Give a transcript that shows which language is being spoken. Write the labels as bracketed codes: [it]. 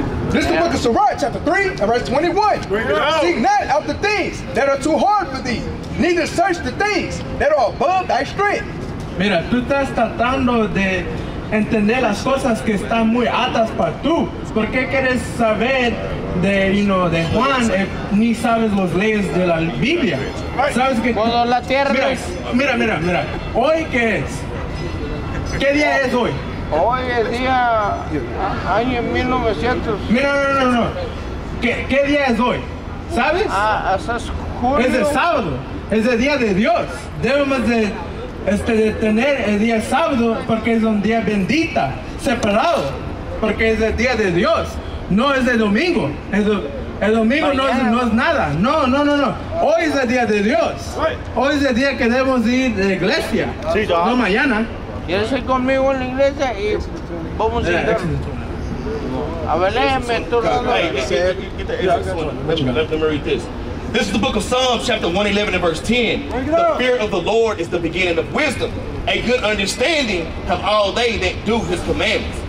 [en] This is the book of Sirach, chapter 3, and verse 21. Seek not after things that are too hard for thee, neither search the things that are above thy strength. [es] Mira, tú estás tratando de entender las cosas que están muy altas para tú. ¿Por qué quieres saber de, [en] you know, [es] de Juan, ni sabes las leyes de la Biblia? ¿Sabes que cuando la tierra es... Mira. ¿Hoy qué es? ¿Qué día es hoy? Hoy es día... año 1900. No. ¿Qué día es hoy? ¿Sabes? Ah, es julio. Es el sábado. Es el día de Dios. Debemos de... de tener el día sábado porque es un día bendita, separado, porque es el día de Dios, no es de domingo, el domingo no es nada, no, hoy es el día de Dios, hoy es el día que debemos ir de iglesia, sí, no mañana. Quédese conmigo en la iglesia y vamos a ir. A ver, déjeme tú. [en] This is the book of Psalms, chapter 111 and verse 10. The fear of the Lord is the beginning of wisdom. A good understanding have all they that do his commandments.